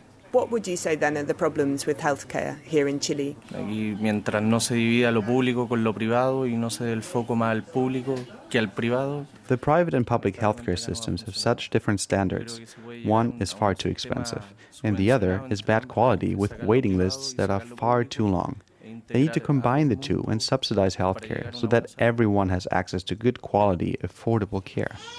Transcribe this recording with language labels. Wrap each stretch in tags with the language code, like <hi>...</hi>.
<en>What would you say then are the problems with healthcare here in Chile?</en> <es>Aquí, mientras no se divida lo público con lo privado y no se dé el foco más al público.</es> <en>The private and public healthcare systems have such different standards. One is far too expensive, and the other is bad quality with waiting lists that are far too long. They need to combine the two and subsidize healthcare so that everyone has access to good quality, affordable care.</en>